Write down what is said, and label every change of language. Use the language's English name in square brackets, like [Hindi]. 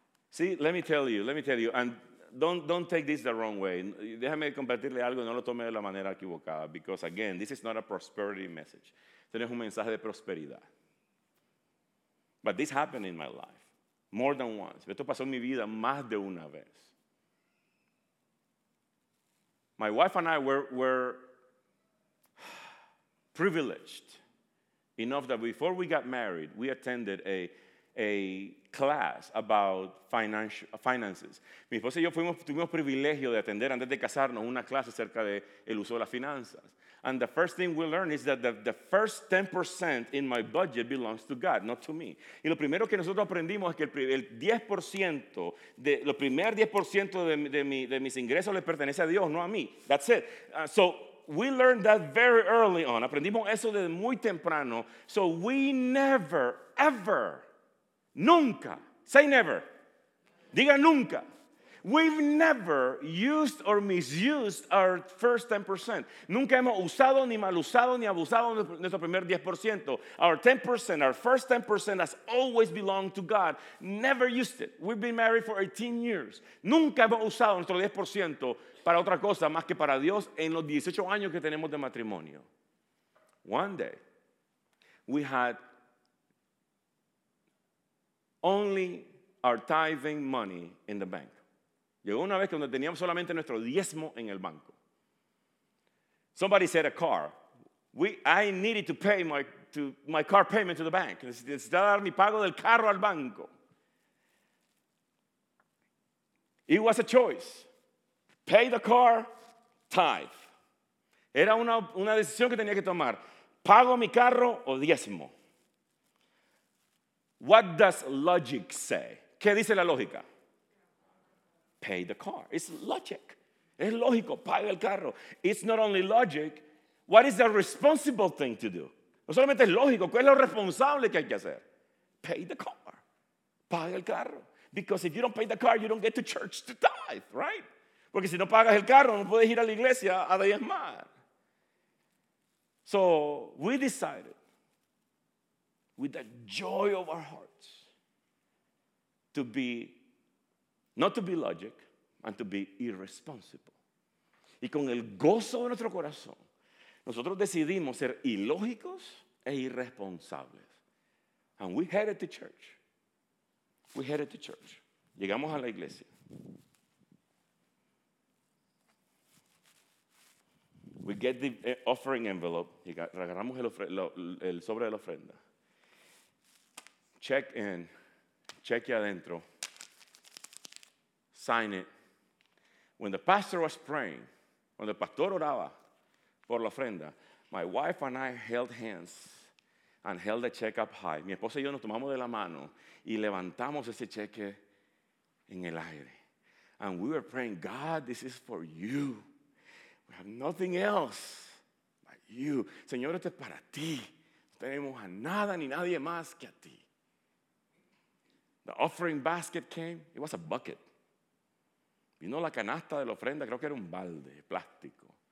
[English] See, let me tell you, and don't take this the wrong way. [Spanish] Déjame compartirle algo, no lo tome de la manera equivocada, [English] because again, this is not a prosperity message. [Spanish] Tienes un mensaje de prosperidad. [English] But this happened in my life, more than once. [Spanish] Esto pasó en mi vida más de una vez. [English] My wife and I were privileged enough that before we got married, we attended a class about finances. [Spanish] Mi esposa y yo tuvimos privilegio de atender antes de casarnos una clase acerca del uso de las finanzas. [English] And the first thing we learned is that the first 10% in my budget belongs to God, not to me. [Spanish] Y lo primero que nosotros aprendimos es que el 10%, lo primer 10% de mis ingresos le pertenece a Dios, no a mí. [English] That's it. So we learned that very early on. [Spanish] Aprendimos eso desde muy temprano. [English] So we never, ever, [Spanish] nunca, [English] say never, [Spanish] diga nunca. [English] We've never used or misused our first 10%. [Spanish] Nunca hemos usado, ni mal usado, ni abusado de nuestro primer 10%. [English] Our 10%, our first 10% has always belonged to God. Never used it. We've been married for 18 years. [Spanish] Nunca hemos usado nuestro 10% para otra cosa más que para Dios en los 18 años que tenemos de matrimonio. [English] One day, we had only our tithing money in the bank. [Spanish] Llegó una vez cuando teníamos solamente nuestro diezmo en el banco. [English] Somebody said a car. I needed to pay my car payment to the bank. [Spanish] Necesitaba dar mi pago del carro al banco. [English] It was a choice. Pay the car, tithe. [Spanish] Era una decisión que tenía que tomar. ¿Pago mi carro o diezmo? [English] What does logic say? [Spanish] ¿Qué dice la lógica? [English] Pay the car. It's logic. [Spanish] Es lógico. Paga el carro. [English] It's not only logic. What is the responsible thing to do? [Spanish] No solamente es lógico. ¿Qué es lo responsable que hay que hacer? [English] Pay the car. [Spanish] Paga el carro. [English] Because if you don't pay the car, you don't get to church to tithe, right? [Spanish] Porque si no pagas el carro, no puedes ir a la iglesia a diezmar. [English] So we decided, with the joy of our hearts, to be not to be logic, and to be irresponsible. [Spanish] Y con el gozo de nuestro corazón, nosotros decidimos ser ilógicos e irresponsables. [English] And we headed to church. We headed to church. [Spanish] Llegamos a la iglesia. [English] We get the offering envelope. [Spanish] Y agarramos el sobre de la ofrenda. [English] Check in. [Spanish] Cheque adentro. [English] Sign it. When the pastor was praying, when the pastor [Spanish] oraba por la ofrenda, [English] my wife and I held hands and held the check up high. [Spanish] Mi esposa y yo nos tomamos de la mano y levantamos ese cheque en el aire. [English] And we were praying, God, this is for you. We have nothing else but you. [Spanish] Señor, esto es para ti. No tenemos a nada ni nadie más que a ti. [English] The offering basket came. It was a bucket. [Spanish] Vino la canasta de la ofrenda, creo que era un balde plástico.